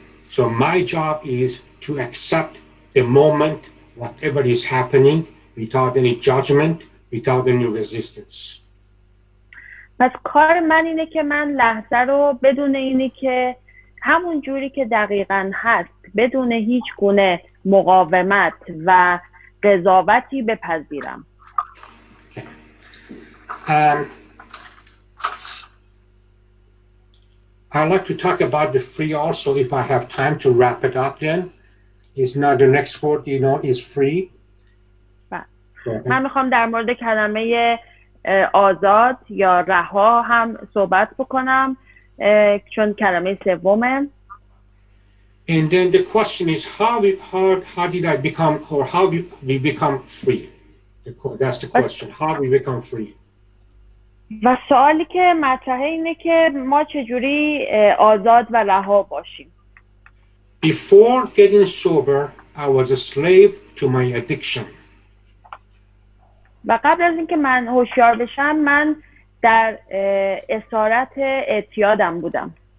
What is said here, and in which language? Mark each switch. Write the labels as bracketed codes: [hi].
[en] So my job is to accept the moment, whatever is happening, without any judgment, without any resistance. [fa] پس کار من اینه که من لحظه رو بدون اینی که همون جوری که دقیقاً هست بدون هیچ گونه مقاومت و قضاوتی بپذیرم. [en] I'd like to talk about the free also if I have time to wrap it up then. Is not the next word, you know, is free. [fa] من میخوام در مورد کلمه آزاد یا رها هم صحبت بکنم چون کلمه سومه. [en] And then the question is how did I become or how we become free? That's the question. How we become free? [fa] و سوالی که مطرحه اینه که ما چجوری آزاد و رها باشیم. [en] Before getting sober, I was a slave to my addiction. [fa] و قبل از اینکه من هوشیار بشم من در اسارت اعتیادم بودم.